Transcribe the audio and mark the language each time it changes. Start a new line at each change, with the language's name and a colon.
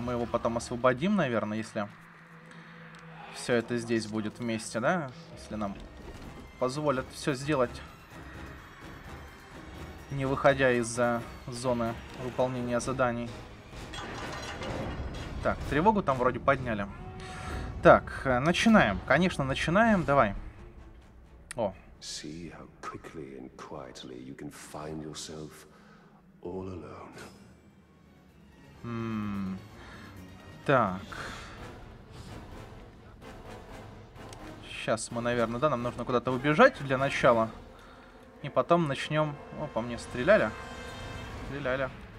Russian: Мы его потом освободим, наверное, если все это здесь будет вместе, да? Если нам позволят все сделать, не выходя из-за зоны выполнения заданий. Так, тревогу там вроде подняли. Так, начинаем. Конечно, начинаем. Давай. О.
English: See how quickly and quietly you can find yourself all alone.
Russian: Так. Сейчас мы, наверное, да, нам нужно куда-то убежать для начала. И потом начнем. О, по мне стреляли. Стреляли.